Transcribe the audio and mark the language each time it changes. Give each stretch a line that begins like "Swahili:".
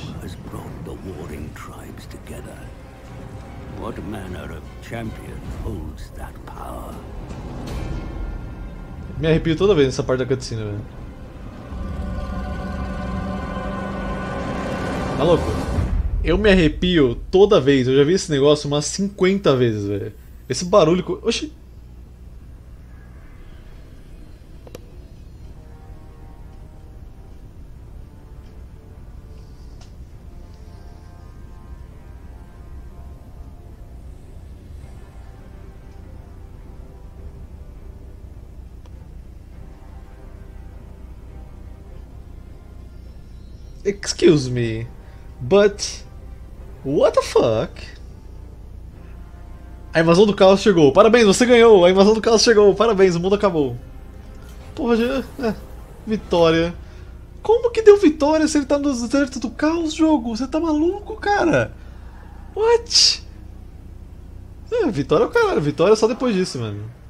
English: Who has brought the warring tribes together? What manner of champion holds that power?
Portuguese: Me arrepio toda vez nessa parte da cutscene, velho. Tá louco? Eu me arrepio toda vez, eu já vi esse negócio umas 50 vezes, velho. Esse barulho. Oxi!
English: Excuse me, but what the fuck?
Portuguese: A invasão do caos chegou. Parabéns, você ganhou. A invasão do caos chegou. Parabéns, o mundo acabou. Porra, já... vitória. Como que deu vitória se ele tá no deserto do caos, jogo? Você tá maluco, cara? What? Vitória é o caralho. Vitória é só depois disso, mano.